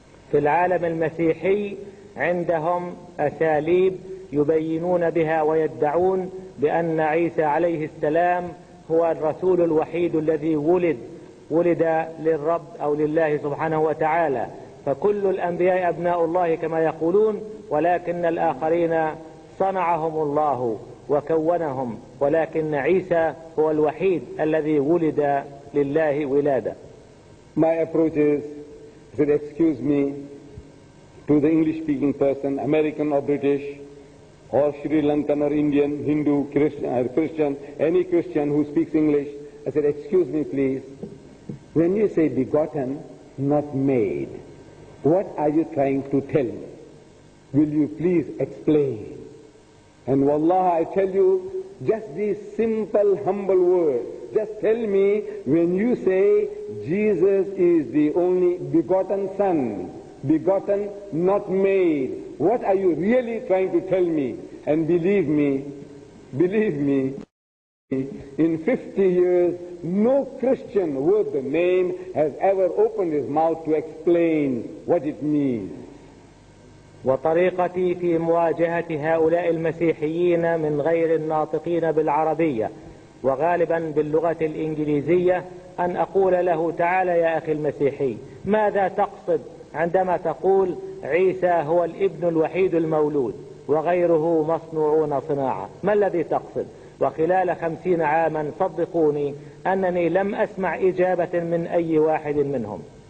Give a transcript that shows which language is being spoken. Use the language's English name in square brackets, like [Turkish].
[Arabic] في العالم المسيحي عندهم أساليب يبينون بها ويدعون بأن عيسى عليه السلام هو الرسول الوحيد الذي ولد للرب أو لله سبحانه وتعالى، فكل الأنبياء أبناء الله كما يقولون، ولكن الآخرين صنعهم الله وكونهم، ولكن عيسى هو الوحيد الذي ولد لله ولادة. [English] My approach is, said, excuse me to the English speaking person, American or British, or Sri Lankan or Indian, Hindu, Christian, any Christian who speaks English, I said, excuse me please, when you say begotten, not made, what are you trying to tell me? Will you please explain? And wallah, I tell you, just these simple, humble words, just tell me, when you say Jesus is the only begotten Son, begotten, not made, what are you really trying to tell me? And believe me, in 50 years, no Christian worth the name has ever opened his mouth to explain what it means. [Arabic] وطريقتي في مواجهة هؤلاء المسيحيين من غير الناطقين بالعربية وغالبا باللغة الإنجليزية أن أقول له: تعال يا أخي المسيحي، ماذا تقصد عندما تقول عيسى هو الابن الوحيد المولود وغيره مصنوعون صناعة؟ ما الذي تقصد؟ وخلال 50 عاما صدقوني أنني لم أسمع إجابة من أي واحد منهم.